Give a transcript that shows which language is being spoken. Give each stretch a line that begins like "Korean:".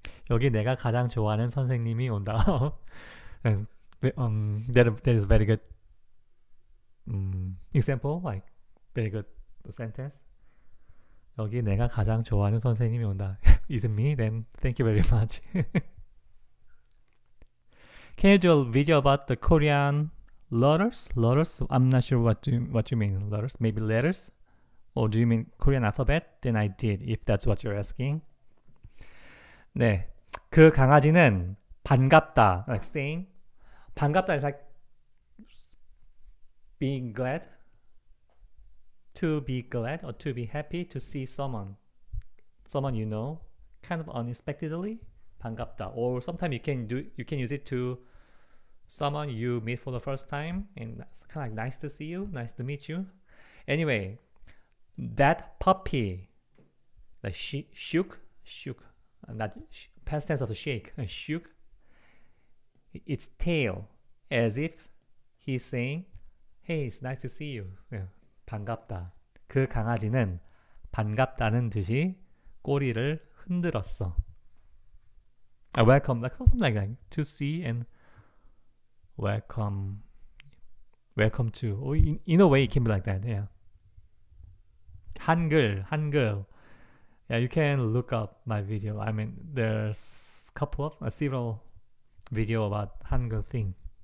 Korean: 여기 내가 가장 좋아하는 선생님이 온다.
English: that is very good example, like very good sentence.
Korean: 여기 내가 가장 좋아하는 선생님이 온다.
English: Is it me? Then thank you very much. Can you do a video about the Korean letters? Letters? I'm not sure what you mean. Letters? Maybe letters? Or do you mean Korean alphabet? Then I did, if that's what you're asking.
Korean: 네. 그 강아지는 반갑다.
English: Like saying 반갑다 is like being glad, to be glad or to be happy to see someone you know, kind of unexpectedly, 반갑다. Or sometimes you can use it to someone you meet for the first time, and it's kind of like nice to see you, nice to meet you. Anyway, that puppy, the shook, not past tense of the shake, shook its tail, as if he's saying, hey, it's nice to see you. Yeah.
Korean: 반갑다. 그 강아지는 반갑다는 듯이 꼬리를 흔들었어.
English: Welcome, like something like that, to see and welcome to. Oh, in a way, it can be like that, yeah.
Korean: 한글.
English: Yeah, you can look up my video. I mean, there's several video about 한글 thing.